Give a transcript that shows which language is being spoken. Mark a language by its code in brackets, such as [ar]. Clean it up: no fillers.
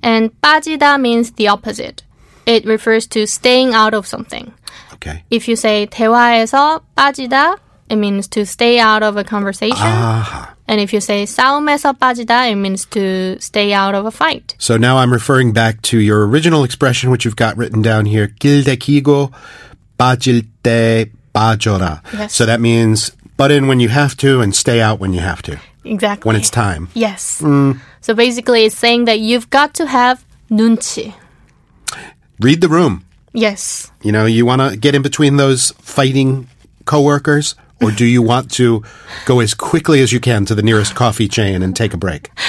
[en] And 빠지다 means the opposite. It refers to staying out of something. Okay. If you say [ko] 대화에서 빠지다, [en] it means to stay out of a conversation. Uh-huh. And if you say [ko] 싸움에서 빠지다, [en] it means to stay out of a fight. So now I'm referring back to your original expression, which you've got written down here. [ko] 낄 때 끼고 빠질 때 빠져라. [en] Yes. So that means butt in when you have to and stay out when you have to. Exactly. When it's time. Yes. Mm. So basically it's saying that you've got to have 눈치. Read the room. Yes. You know, you want to get in between those fighting coworkers, or do you want to go as quickly as you can to the nearest coffee chain and take a break?